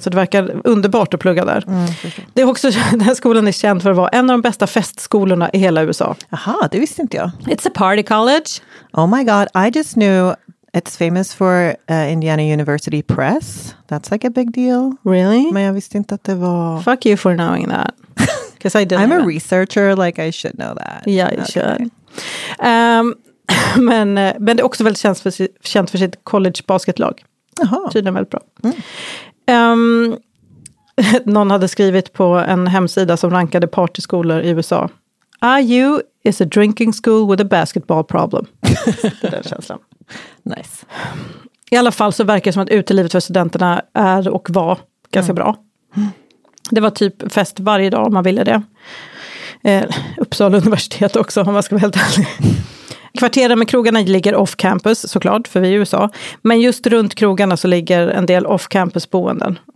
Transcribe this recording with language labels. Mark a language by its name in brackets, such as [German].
[Swedish] Så det verkar underbart att plugga där. Det är också, den här skolan är känd för att vara en av de bästa festskolorna i hela USA. Aha, det visste inte jag. [English] It's a party college. Oh my god, I just knew it's famous for Indiana University Press. That's like a big deal. Really? [Swedish] Men jag visste inte att det var... [English] Fuck you for knowing that. I'm a researcher, like I should know that. Yeah, you should. [Swedish] Men det är också väldigt känt för sitt college basketlag. Jaha. Tydligen väldigt bra. Någon hade skrivit på en hemsida som rankade partyskolor i USA. [English] IU is a drinking school with a basketball problem. [Swedish] Den känslan. [English] Nice. [Swedish] I alla fall så verkar det som att utelivet för studenterna är och var ganska bra. Det var typ fest varje dag om man ville det. Uppsala universitet också, om man ska vara helt ärlig. Kvarteren med krogarna ligger off-campus, såklart, för vi är i USA. Men just runt krogarna så ligger en del off-campus-boenden.